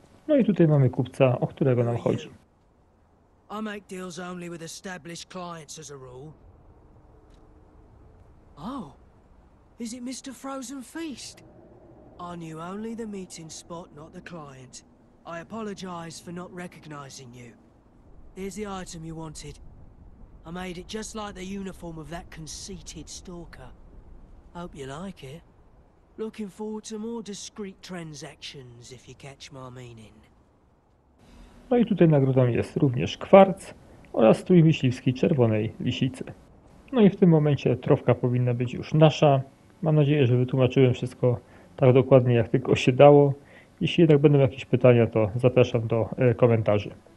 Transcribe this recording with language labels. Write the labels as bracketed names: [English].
[Polish] No i tutaj mamy kupca, o którego nam chodzi. [English] I make deals only with established clients as a rule. Oh, is it Mr. Frozen Feast? I knew only the meeting spot, not the client. I apologize for not recognizing you. Here's the item you wanted. I made it just like the uniform of that conceited stalker. Hope you like it. Looking forward to more discreet transactions, if you catch my meaning. [Polish] No i tutaj nagrodą jest również kwarc oraz strój myśliwski czerwonej lisicy. No i w tym momencie trofka powinna być już nasza. Mam nadzieję, że wytłumaczyłem wszystko tak dokładnie, jak tylko się dało. Jeśli jednak będą jakieś pytania, to zapraszam do komentarzy.